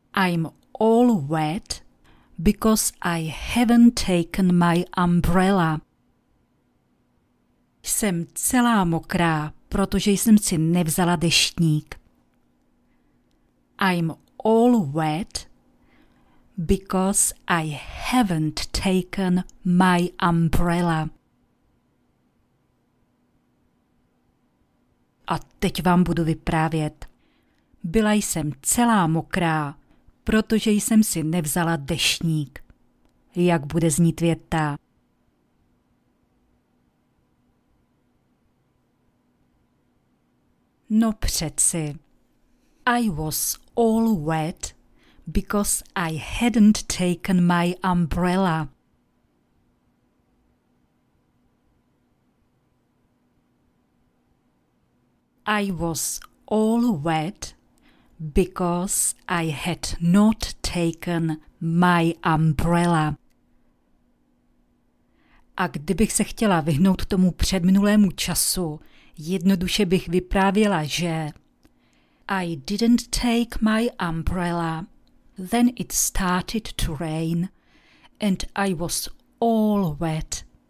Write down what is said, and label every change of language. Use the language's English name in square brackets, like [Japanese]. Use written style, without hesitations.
[English] I'm all wet because I haven't taken my umbrella. [Czech] Jsem celá mokrá, protože jsem si nevzala deštník. [English] I'm all wet because I haven't taken my umbrella. [Czech] A teď vám budu vyprávět. Byla jsem celá mokrá, protože jsem si nevzala deštník. Jak bude znít věta? No přeci. [English] I was all wet because I hadn't taken my umbrella. I was all wet because I had not taken my umbrella. A kdybych se chtěla vyhnout tomu předminulému času, jednoduše bych vyprávěla, že I didn't take my umbrella, then it started to rain, and I was all wet.